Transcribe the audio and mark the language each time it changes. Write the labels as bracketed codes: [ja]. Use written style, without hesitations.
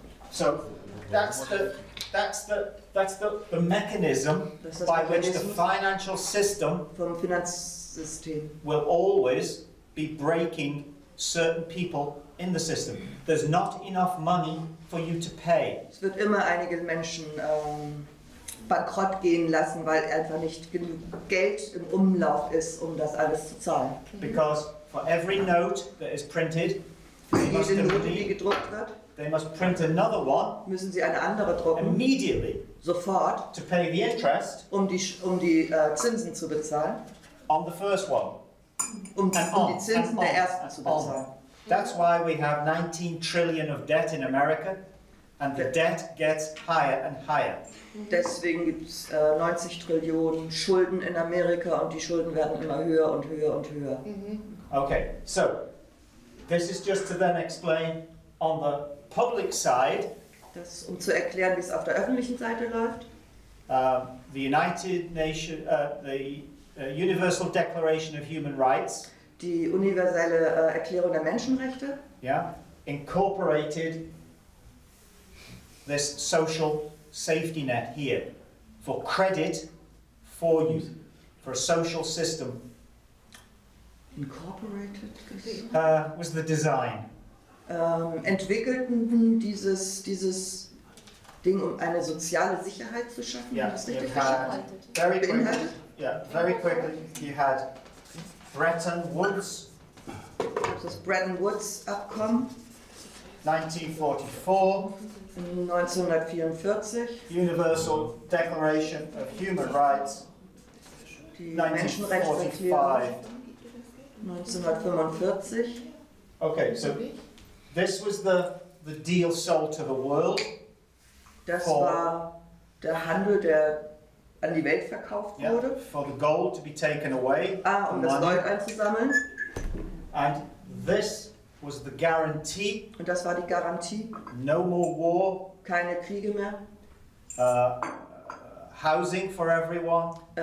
[en] So, that's the mechanism by which the financial system [de] vom Finanzsystem [en] will always be breaking certain people in the system. There's not enough money for you to pay. [de] Es wird immer einige Menschen bankrott gehen lassen, weil einfach nicht genug Geld im Umlauf ist, um das alles zu zahlen. [en] Because for every note that is printed, they must print another one. [de] Müssen Sie eine andere drucken? [en] Immediately. [de] Sofort. [en] To pay the interest. [de] Um die Zinsen zu bezahlen. [en] On the first one. [de] Um die Zinsen der ersten zu bezahlen. [en] That's why we have 19 trillion of debt in America, and the debt gets higher and higher. [de] Deswegen gibt's 90 Trillionen Schulden in Amerika und die Schulden werden immer höher und höher und höher. [en] Okay, so this is just to then explain on the public side. [de] Das um zu erklären, wie es auf der öffentlichen Seite läuft. [en] The United Nations, the Universal Declaration of Human Rights. [de] Die universelle Erklärung der Menschenrechte. [en] Yeah, incorporated this social safety net here for credit for you, for a social system. Incorporated. Was the design? [de] Entwickelten dieses Ding, um eine soziale Sicherheit zu schaffen. [en] Yeah, [de] das richtig verstanden. [en] Very quickly. Yeah, very quickly. You had Bretton Woods. [de] Das Bretton Woods Abkommen. [en] 1944. Universal Declaration of Human Rights. [de] Die Menschenrechtserklärung. 1945. [en] Okay, so this was the deal sold to the world. [de] Das war der Handel, der an die Welt verkauft wurde. [en] Yeah, for the gold to be taken away. [de] Ah, um das Gold einzusammeln. [en] And this was the guarantee. [de] Und das war die Garantie. [en] No more war. [de] Keine Kriege mehr. [en] Housing for everyone.